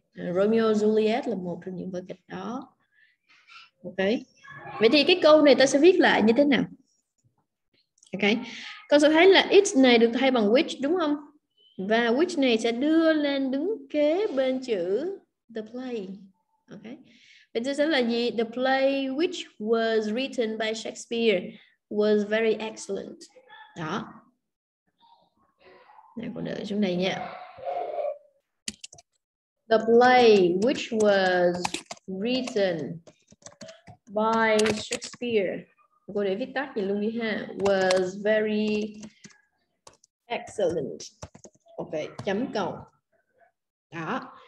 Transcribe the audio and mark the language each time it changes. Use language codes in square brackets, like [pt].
[vi] Romeo Juliet là một trong những vở kịch đó. Ok. Vậy thì cái câu này ta sẽ viết lại như thế nào? Ok. Con sẽ thấy là it này được thay bằng which, đúng không? Và which này sẽ đưa lên đứng kế bên chữ the play. Ok. Vậy thì sẽ là gì? [en] The play which was written by Shakespeare was very excellent. [vi] Đó. Này con đợi xuống đây nha. [en] The play which was written by Shakespeare. [vi] Cô để viết tắt gì luôn đi ha. [en] Was very excellent. [vi] Ok, chấm cộng. Đó.